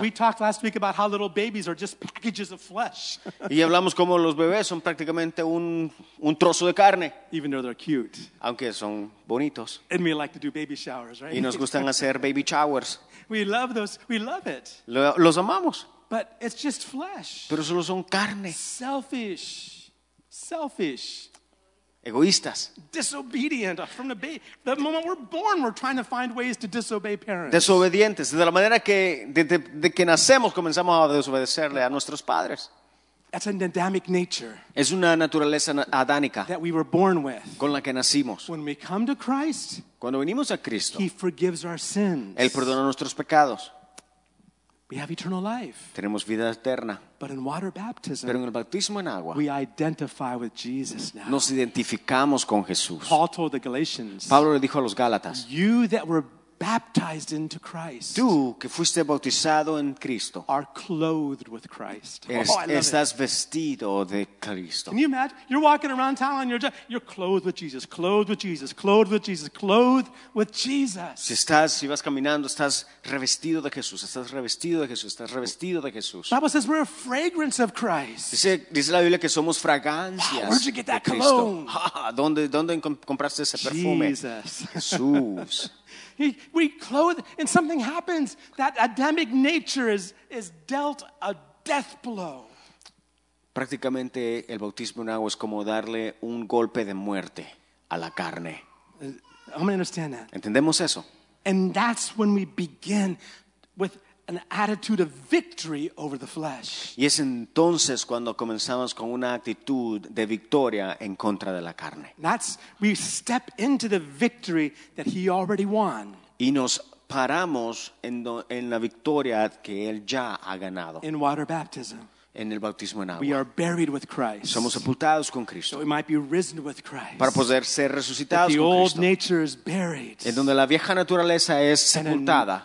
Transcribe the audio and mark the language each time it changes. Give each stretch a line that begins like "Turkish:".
English: We talked last week about how little babies are just packages of flesh.
Spanish: Y hablamos como los bebés son prácticamente un trozo de carne.
English: Even though they're cute.
Spanish: Aunque son bonitos.
English: And we like to do baby showers, right?
Spanish: Y nos gustan hacer baby showers.
English: We love those. We love it.
Spanish: Los amamos.
English: But it's just flesh.
Spanish: Pero solo son carne.
English: Selfish. Selfish.
Spanish: Egoístas.
English: Disobedient. From the moment we're born, we're trying to find ways to disobey parents.
Spanish: Desobedientes. De la manera que de que nacemos, comenzamos a desobedecerle a nuestros padres.
English: That's an Adamic nature.
Spanish: Es una naturaleza adánica.
English: That we were born with.
Spanish: Con la que nacimos.
English: When we come to Christ.
Spanish: Cuando venimos a Cristo.
English: He forgives our sins.
Spanish: Él perdona nuestros pecados.
English: We have eternal life.
Spanish: Tenemos vida eterna.
English: But in water baptism,
Spanish: pero en el bautismo en agua,
English: we identify with Jesus now.
Spanish: Nos identificamos con Jesús.
English: Paul told the Galatians,
Spanish: Pablo le dijo a los Gálatas,
English: you that were baptized into Christ,
Spanish: tú que fuiste bautizado en Cristo,
English: are clothed with Christ.
Spanish: Estás vestido de Cristo.
English: Can you imagine? You're walking around town and you're clothed with Jesus, clothed with Jesus, clothed with Jesus, clothed with Jesus.
Spanish: Si vas caminando, estás revestido de Jesús, estás revestido de Jesús, estás revestido de Jesús.
English: The Bible says we're a fragrance of Christ.
Spanish: Dice la Biblia que somos fragancias.
English: Wow, where'd you get that cologne?
Spanish: ¿Dónde compraste ese perfume?
English: Jesús. We clothe, and something happens. That Adamic nature is dealt a death blow.
Spanish: Prácticamente, el bautismo en agua es como darle un golpe de muerte a la carne.
English: How many understand that?
Spanish: ¿Entendemos eso?
English: And that's when we begin with an attitude of victory over the flesh.
Spanish: Y es entonces cuando comenzamos con una actitud de victoria en contra de la carne.
English: That's we step into the victory that he already won.
Spanish: Y nos paramos en la victoria que él ya ha ganado.
English: In water baptism.
Spanish: En el bautismo en agua.
English: We are buried with Christ.
Spanish: Somos sepultados con Cristo.
English: So we might be risen with Christ.
Spanish: Para poder ser resucitados
English: the
Spanish: con
English: old
Spanish: Cristo.
English: Nature is buried.
Spanish: En donde la vieja naturaleza es sepultada.